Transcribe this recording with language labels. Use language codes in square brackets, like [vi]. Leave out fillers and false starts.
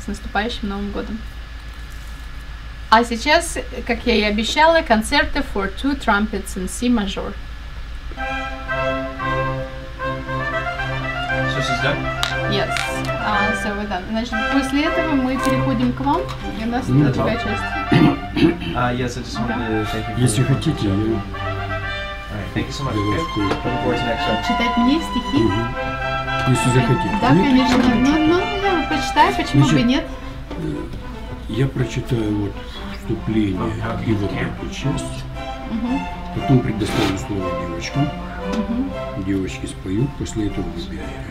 [ru] С наступающим Новым годом. А сейчас, как я и обещала, концерты [en] for two trumpets in C major. So she's done? Yes. So we're done. [ru] Значит, после этого мы переходим к вам. И у нас это другая часть. [en] Yes, I just wanted to thank you. [ru] Если хотите, [en] Alright, thank you so much. Okay. Looking forward to next show. [ru] Читать мне стихи? Mm-hmm. Если захотите. Да, нет, конечно. Ну, почитай, почему бы нет. Я прочитаю вот вступление и вот эту часть, потом предоставлю слово девочкам, девочки споют, после этого выбираю.